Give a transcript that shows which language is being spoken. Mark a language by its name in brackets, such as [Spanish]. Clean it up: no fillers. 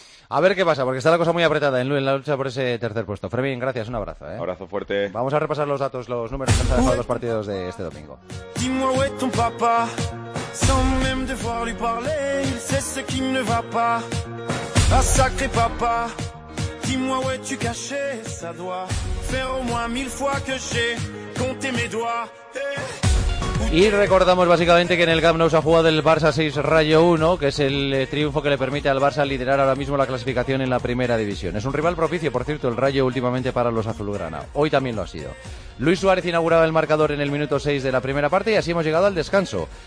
[Spanish] A ver qué pasa, porque está la cosa muy apretada en la lucha por ese tercer puesto. Fermín, gracias, un abrazo. Abrazo fuerte. Vamos a repasar los datos, los números que han dejado los partidos de este domingo. [French] Sans même devoir lui parler, il sait ce qui ne va pas. Ah sacré papa, dis-moi où es-tu caché. Ça doit faire au moins mille fois que j'ai compté mes doigts. [Spanish] Y recordamos básicamente que en el Camp Nou se ha jugado el Barça 6 Rayo 1, que es el triunfo que le permite al Barça liderar ahora mismo la clasificación en la primera división. Es un rival propicio, por cierto, el Rayo últimamente para los azulgrana. Hoy también lo ha sido. Luis Suárez inauguraba el marcador en el minuto 6 de la primera parte y así hemos llegado al descanso.